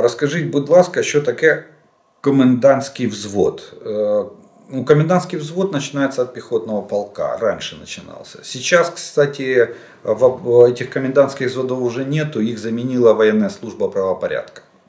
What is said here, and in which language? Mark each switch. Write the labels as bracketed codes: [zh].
[uk] Розкажіть, будь ласка, що таке комендантський взвод? Ну, комендантський взвод починається від піхотного полка. Раніше починався. [ru] Сейчас, кстати, этих комендантських взводов уже нету. [uk] Їх замінила воєнна служба правопорядка.